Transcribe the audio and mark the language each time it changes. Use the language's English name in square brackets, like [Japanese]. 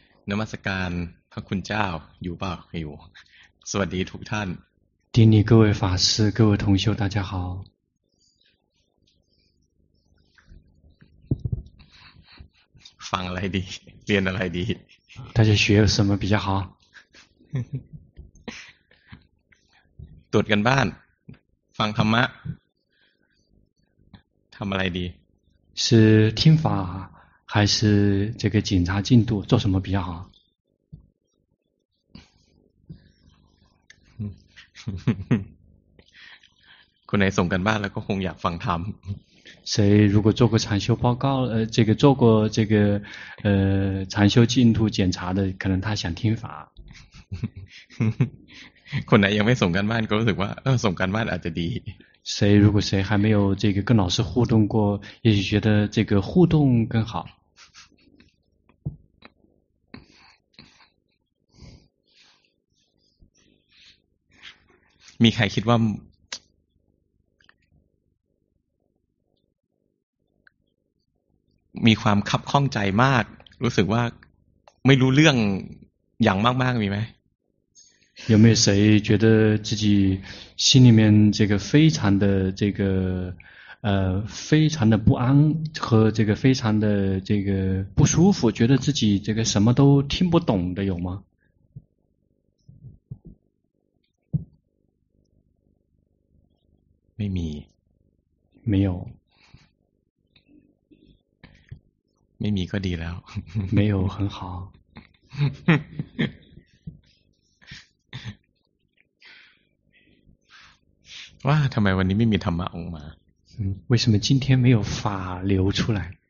[Thai] นมัสการพระคุณเจ้าอยู่ป่าวอยู่สวัสดีทุกท่าน [Chinese] ดีนี้各位法师各位同修大家好 [Thai] ฟังอะไรดีเรียนอะไรดี [Chinese] 大家学什么比较好 [Thai] ตรวจกันบ้านฟังธรรมะทำอะไรดี [Chinese] 是听法还是这个检查进度做什么比较好 [Thai] คุณไหนส่งกันบ้านแล้วก็คงอยากฟังธรรม [Chinese] 谁如果做过禅修报告这个做过这个禅修进度检查的可能他想听法 [Thai] คนไหนยังไม่ส่งกันบ้านก็รู้สึกว่าส่งกันบ้านอาจจะดี [Chinese] 谁如果谁还没有这个跟老师互动过也许觉得这个互动更好 [Thai] มีใครคิดว่าความคับข้องใจมากรู้สึกว่าไม่รู้เรื่องอย่างมากๆมีไหม [Chinese] 有没有谁觉得自己心里面这个非常的这个非常的不安和这个非常的这个不舒服觉得自己这个什么都听不懂的有吗 [Thai] ไม่มี ไม่有 ไม่มีก็ดีแล้ว [Chinese] 没有很好 [Thai] ว่าทำไมวันนี้ไม่มีธรรมะออกมา [Chinese] 为什么今天没有法流出来